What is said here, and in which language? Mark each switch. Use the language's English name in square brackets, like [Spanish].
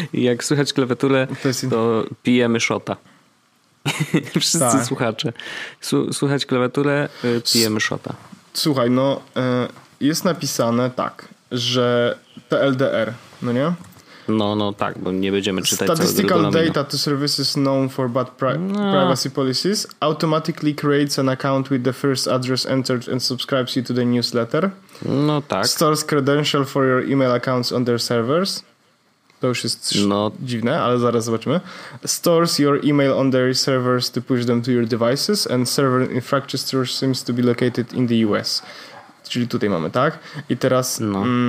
[Polish] Jak słychać klawiaturę, to pijemy shota. Wszyscy tak. Słuchacze. Słuchać klawiaturę, pijemy shota. Słuchaj, no jest napisane tak, że TLDR, no nie? No tak, bo nie będziemy czytać. [English] Statistical data to services known for bad privacy policies automatically creates an account with the first address entered and subscribes you to the newsletter. [Polish] No tak. [English] Stores credential for your email accounts on their servers. [Polish] To już jest dziwne, ale zaraz zobaczymy. [English] Stores your email on their servers to push them to your devices and server infrastructure seems to be located in the US. [Polish] Czyli tutaj mamy, tak? I teraz... No.